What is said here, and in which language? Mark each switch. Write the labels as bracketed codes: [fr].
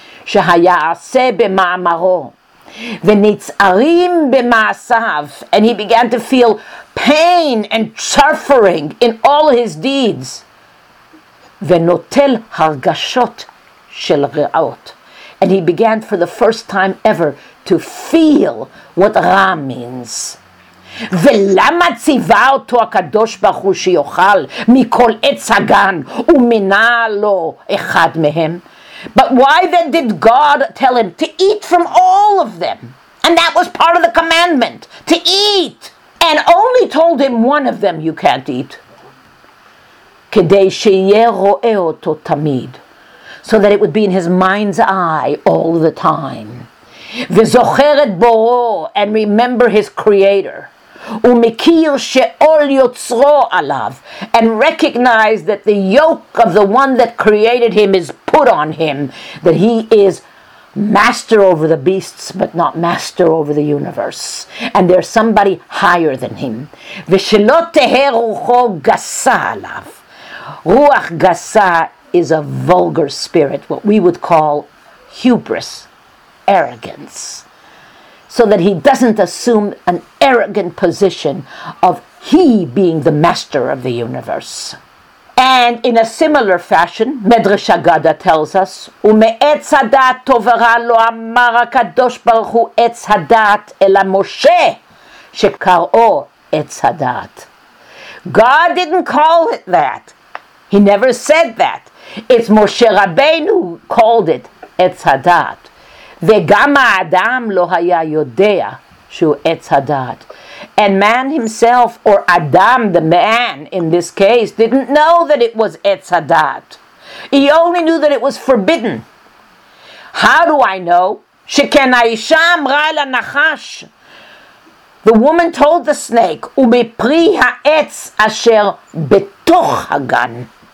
[he] Shehaya ase b'ma'amaro, v'nitz'arim b'ma'asav, [en] and he began to feel pain and suffering in all his deeds. [he] V'notel hargashot shel re'ot, [en] and he began for the first time ever to feel what ra means. [he] ולמה ציווה אותו הקדוש ברוך הוא שיוכל מכל עץ הגן ומנה לו אחד מהם? [en] But why then did God tell him to eat from all of them? And that was part of the commandment, to eat. And only told him one of them you can't eat. [he] כדי שיהיה רואה אותו תמיד. [en] So that it would be in his mind's eye all the time. [he] וזוכר את בורו, [en] and remember his creator. [he] ומכיר שעול יוצרו עליו, [en] and recognize that the yoke of the one that created him is put on him, that he is master over the beasts but not master over the universe, and there's somebody higher than him. [he] ושלא תהא רוחו גסה עליו. רוח גסה [en] is a vulgar spirit, what we would call hubris, arrogance. So that he doesn't assume an arrogant position of he being the master of the universe. And in a similar fashion, Medrash Agada tells us, [he] ומעץ הדעת תוברה לא אמר הקדוש ברוך הוא עץ הדעת, אלא משה שקראו עץ הדעת. [en] God didn't call it that. He never said that. It's Moshe Rabbeinu who called it עץ הדעת. [he] וגם האדם לא היה יודע שהוא עץ הדעת. [en] And man himself, or Adam, the man in this case, didn't know that it was עץ הדעת. He only knew that it was forbidden. How do I know? [he] שכן האישה אמרה לנחש. [en] The woman told the snake, [he] ומפרי העץ אשר בתוך הגן.